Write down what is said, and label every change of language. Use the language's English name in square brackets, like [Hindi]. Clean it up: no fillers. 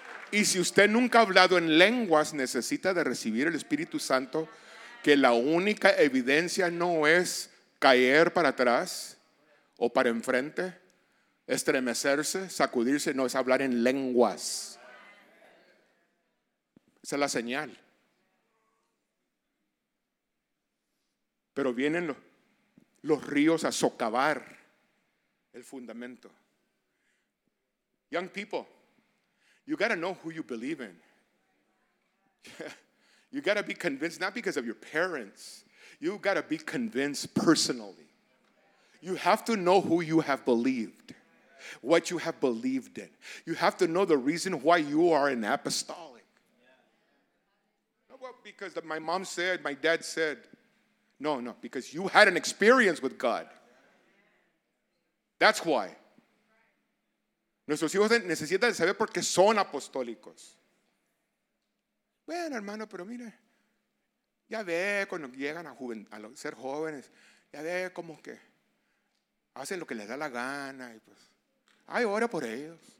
[Spanish] Y si usted nunca ha hablado en lenguas, necesita de recibir el Espíritu Santo, que la única evidencia no es caer para atrás o para enfrente, estremecerse, sacudirse, no, es hablar en lenguas. Esa es la señal. Pero vienen los ríos a socavar el fundamento. [English] Young people, you gotta know who you believe in. You gotta be convinced, not because of your parents. You gotta be convinced personally. You have to know who you have believed. What you have believed in. You have to know the reason why you are an apostolic. Yeah. Well, because my mom said, my dad said. No, because you had an experience with God. That's why. [Spanish] Nuestros hijos necesitan saber por qué son apostólicos. Bueno, hermano, pero mire. Ya ve cuando llegan a ser jóvenes. Ya ve como que hacen lo que les da la gana y pues. Ay, ora por ellos.